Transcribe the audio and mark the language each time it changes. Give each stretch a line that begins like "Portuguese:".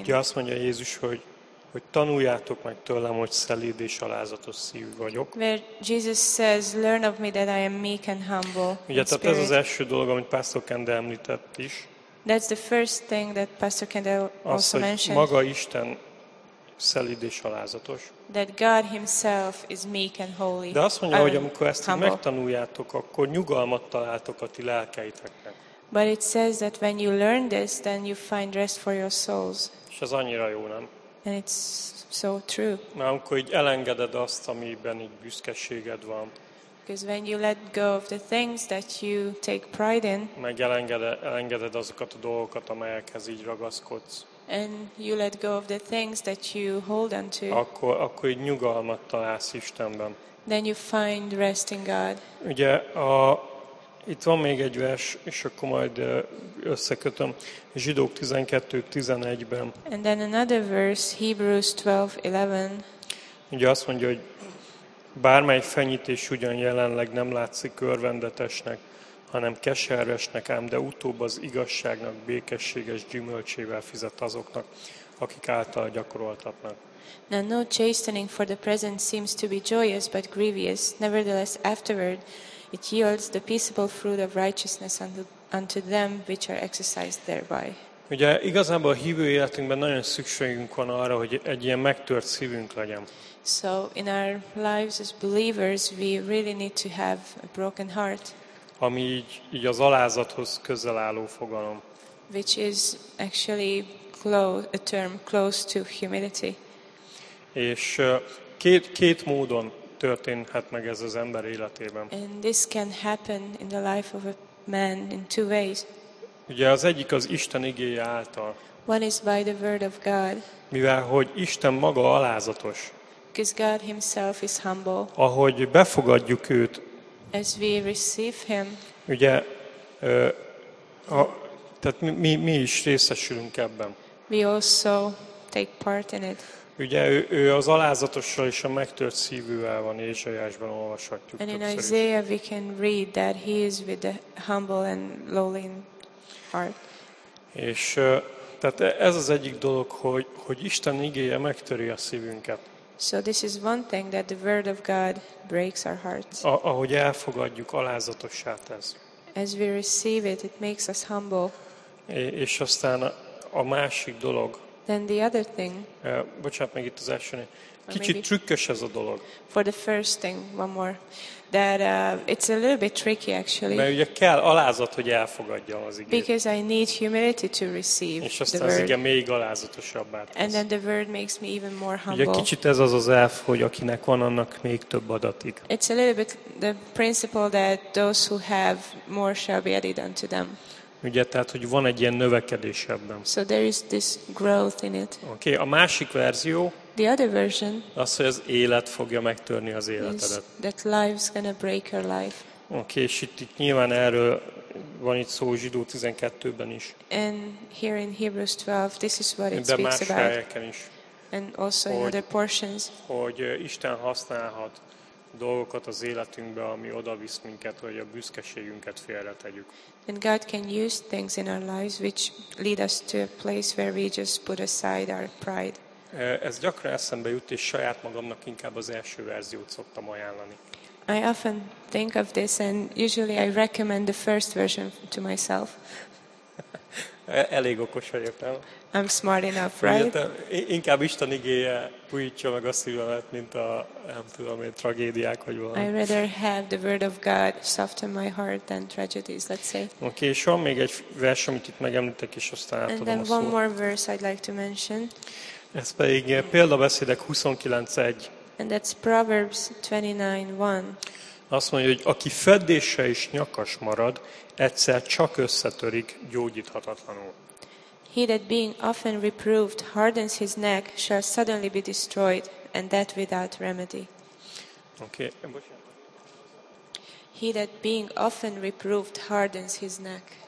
Hungarian: Ugye azt mondja Jézus, hogy tanuljátok meg tőlem, hogy szelíd és alázatos szívű vagyok.
English: Where Jesus says, learn of me that I am meek and humble.
Hungarian: Ugye, tehát ez az első dolog, amit Pastor Kende említett is.
English: That's the first thing that Pastor Kendall also mentioned.
Hungarian: Maga Isten szelíd és alázatos.
English: That God himself is meek and holy.
Hungarian: De azt mondja, hogy amikor ezt így megtanuljátok, akkor nyugalmat találtok a ti lelkeiteknek.
English: But it says that when you learn this, then you find rest for your souls.
Hungarian: És ez annyira jó, nem?
English: And it's so true.
Hungarian: Mert amikor így elengeded azt, amiben így büszkeséged van.
English: Because when you let go of the things that you take pride in,
Hungarian: elengeded azokat a dolgokat, amelyekhez így ragaszkodsz,
English: and you let go of the things that you hold on to,
Hungarian: akkor így nyugalmat találsz Istenben.
English: Then you find rest in God.
Hungarian: Ugye itt van még egy vers, és akkor majd összekötöm. Zsidók 12:11-ben.
English: And then another verse, Hebrews 12:11.
Hungarian: Ugye azt mondja, hogy bármely fenyítés ugyan jelenleg nem látszik örvendetesnek, hanem keservesnek, ám de utóbb az igazságnak békességes gyümölcsével fizet azoknak, akik által gyakoroltatnak.
English: Now no chastening for the present seems to be joyous but grievous, nevertheless afterward it yields the peaceable fruit of righteousness unto them which are exercised thereby.
Hungarian: Ugye igazából a hívő életünkben nagyon szükségünk van arra, hogy egy ilyen megtört szívünk legyen.
English: So in our lives as believers we really need to have a broken heart.
Hungarian: Ami így az alázathoz közel álló fogalom.
English: which is actually close, a term close to humility.
Hungarian: És két módon történhet meg ez az ember életében.
English: And this can happen in the life of a man in two ways.
Hungarian: Ugye az egyik az Isten igéje által.
English: One is by the word of God.
Hungarian: Mivel hogy Isten maga alázatos.
English: Because God himself is humble.
Hungarian: Ahogy befogadjuk őt.
English: As we receive him.
Hungarian: Ugye tehát mi is részesülünk ebben.
English: We also take part in it.
Hungarian: Ugye ő az alázatossal és a megtört szívűvel van, Ézsaiásban olvashatjuk.
English: And in Isaiah we can read that he is with the humble and lowly in heart.
Hungarian: És tehát ez az egyik dolog, hogy Isten igéje megtöri a szívünket.
English: So this is one thing that the word of God breaks our hearts.
Hungarian: Ahogy elfogadjuk, alázatossá tesz.
English: As we receive it, it makes us humble.
Hungarian: És aztán a másik dolog.
English: Then the other thing.
Hungarian: Bocsánat, meg itt az első. Kicsit trükkös ez a dolog.
English: For the first thing, one more. That it's a little bit tricky actually.
Hungarian: Mert ugye kell alázat, hogy elfogadjam az igét.
English: Because I need humility to receive the word.
Hungarian: És aztán az igen még alázatosabbá tesz.
English: And then the word makes me even more humble.
Hungarian: Ugye kicsit ez az elf, hogy akinek van, annak még több adatik.
English: It's a little bit the principle that those who have more shall be added unto them.
Hungarian: Ugye, tehát, hogy van egy ilyen növekedés ebben.
English: So there is this growth in it.
Hungarian: Okay, a másik verzió.
English: The other version.
Hungarian: Az, hogy az élet fogja megtörni az életedet.
English: That life's gonna break your life.
Hungarian: Okay, és itt nyilván erről van itt szó Zsidó 12-ben is.
English: And here in Hebrews 12, this is what it
Hungarian: De
English: speaks about.
Hungarian: De más helyeken is.
English: And also in other portions.
Hungarian: Hogy Isten használhat dolgokat az életünkbe, ami oda visz minket, hogy a büszkeségünket félretegyük.
English: And God can use things in our lives which lead us to a place where we just put aside our pride.
Hungarian: Ez gyakran eszembe jut, és saját magamnak inkább az első verziót szoktam ajánlani.
English: I often think of this and usually I recommend the first version to myself.
Hungarian: Elég okos vagyok, nem?
English: I'm smart enough, right?
Hungarian: Inkább Isten igéje újítsa meg a szívemet, mint a, nem tudom, én tragédiák vagy valami.
English: I rather have the word of God soften my heart than tragedies, let's say.
Hungarian: Oké, és van még egy vers, amit itt megemlítek, és aztán átadom a szót.
English: And then one more verse I'd like to mention.
Hungarian: Ez pedig Példabeszédek 29:1.
English: And that's Proverbs 29:1.
Hungarian: Azt mondja, hogy aki feddése is nyakas marad, egyszer csak összetörik gyógyíthatatlanul.
English: He that being often reproved hardens his neck shall suddenly be destroyed, and that without remedy. Okay. He that being often reproved hardens his neck.